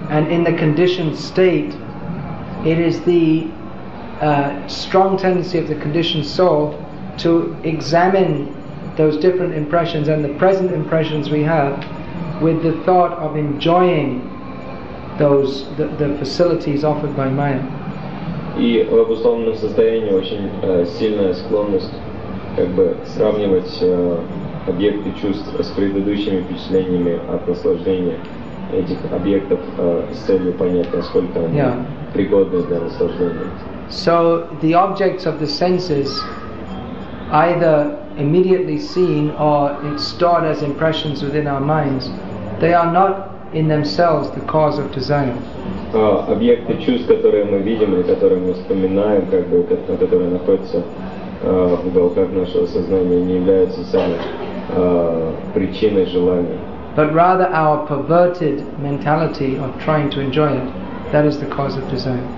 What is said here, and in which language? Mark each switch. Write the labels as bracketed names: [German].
[English] And in the conditioned state, it is the strong tendency of the conditioned soul to examine those different impressions and the present impressions we have with the thought of enjoying those the facilities offered by Maya. [Russian] И в обусловленном состоянии очень сильная склонность как бы сравнивать объекты чувств с предыдущими впечатлениями от наслаждения этих объектов с целью понять, насколько они пригодны для наслаждения. [English] So the objects of the senses either immediately seen or stored as impressions within our minds, they are not in themselves the cause of desire. [Russian] Объекты чувств, которые мы видим или которые мы вспоминаем, как бы, которые находятся в уголках нашего сознания, не являются самой причиной желания. [English] But rather our perverted mentality of trying to enjoy it, that is the cause of desire.